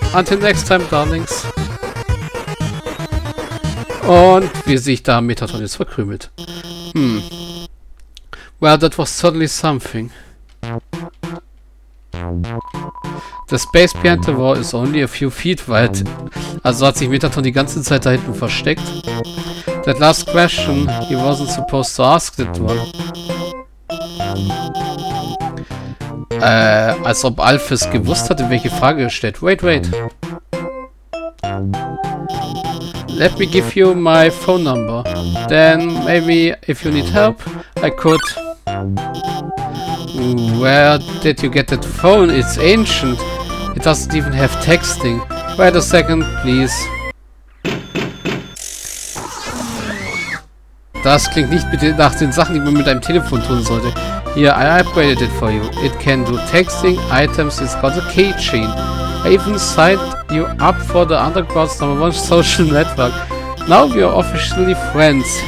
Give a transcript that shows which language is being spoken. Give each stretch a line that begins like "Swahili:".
English: Until next time, darlings.
German: Und wie sich da Metatron jetzt verkrümelt.
English: Well, that was certainly something. The space behind the wall is only a few feet wide.
German: Also hat sich Metatron die ganze Zeit da hinten versteckt.
English: That last question, he wasn't supposed to ask that one.
German: Als ob Alphys gewusst hatte, welche Frage er stellt.
English: Wait. Let me give you my phone number. Then maybe if you need help, I could... Where did you get that phone? It's ancient. It doesn't even have texting. Wait a second, please.
German: Das klingt nicht nach den Sachen, die man mit einem Telefon tun sollte.
English: Here, I upgraded it for you. It can do texting, items, it's got a keychain. I even signed you up for the Underground's number one social network. Now we are officially friends.